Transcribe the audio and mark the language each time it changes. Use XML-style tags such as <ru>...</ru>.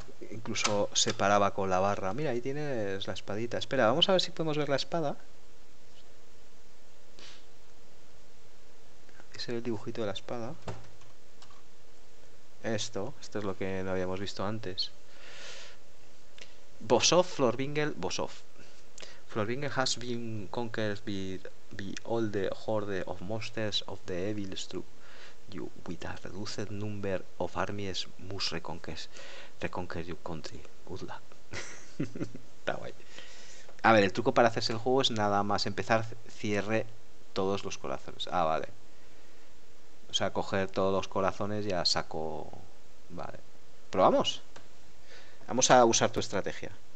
<es>Incluso se paraba con la barra. Mira, ahí tienes la espadita. Espera, vamos a ver si podemos ver la espada. El dibujito de la espada. Esto es lo que no habíamos visto antes. Vosov, Florbingel, Vosov.</es> <en>Florbingel has been conquered by all the horde of monsters of the evil stru. You, with a reduced number of armies, must reconquer your country. Good luck.</en> <es>Está guay. A ver, el truco para hacerse el juego es nada más empezar, cierre todos los corazones. Ah, vale. O sea, coger todos los corazones ya saco. Vale. Probamos. Vamos a usar tu estrategia.</es>